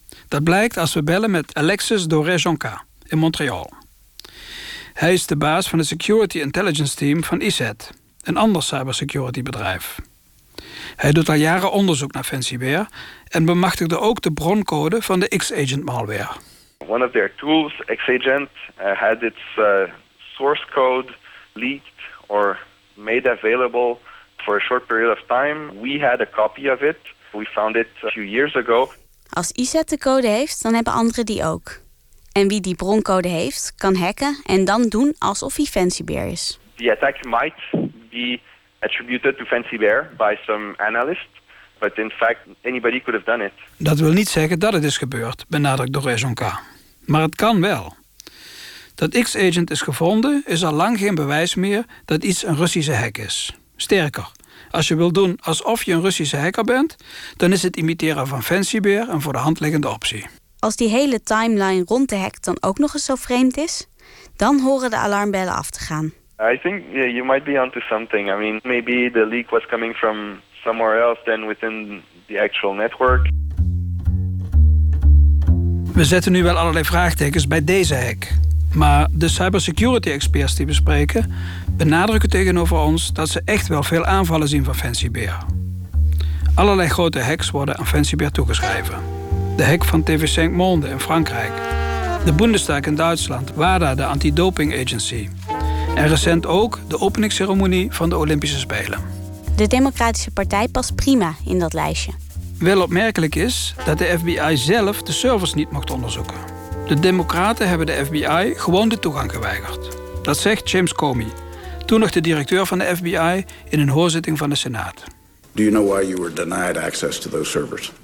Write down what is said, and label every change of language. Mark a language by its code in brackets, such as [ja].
[nl] Dat blijkt als we bellen met Alexis Doré-Jonca in Montreal. Hij is de baas van het Security Intelligence Team van ISET, een ander cybersecurity bedrijf. Hij doet al jaren onderzoek naar Fancy Bear en bemachtigde ook de broncode van de X-Agent malware. [en] One of their tools, X-Agent, had its source code leaked or made available for a short period of time. We had a copy of it. We found it a few years ago. [nl] Als IZ de code heeft, dan hebben anderen die ook. En wie die broncode heeft, kan hacken en dan doen alsof hij Fancy Bear is. The attack might be attributed to Fancy Bear by some analyst, but in fact anybody could have done it. Dat wil niet zeggen dat het is gebeurd, benadrukt door Rajon K. Maar het kan wel. Dat X-agent is gevonden, is al lang geen bewijs meer dat iets een Russische hack is. Sterker, als je wil doen alsof je een Russische hacker bent, dan is het imiteren van Fancy Bear een voor de hand liggende optie. Als die hele timeline rond de hack dan ook nog eens zo vreemd is, dan horen de alarmbellen af te gaan. [en] I think you might be onto something. I mean, maybe the leak was coming from somewhere else than within the actual network. [nl] We zetten nu wel allerlei vraagtekens bij deze hack. Maar de cybersecurity experts die we spreken benadrukken tegenover ons dat ze echt wel veel aanvallen zien van Fancy Bear. Allerlei grote hacks worden aan Fancy Bear toegeschreven. De hack van TV St. Monde in Frankrijk. De Bundestag in Duitsland, WADA, de anti-doping agency. En recent ook de openingsceremonie van de Olympische Spelen. De Democratische Partij past prima in dat lijstje. Wel opmerkelijk is dat de FBI zelf de servers niet mocht onderzoeken. De Democraten hebben de FBI gewoon de toegang geweigerd. Dat zegt James Comey, toen nog de directeur van de FBI in een hoorzitting van de Senaat. [en] Do you know why you were denied access to those servers?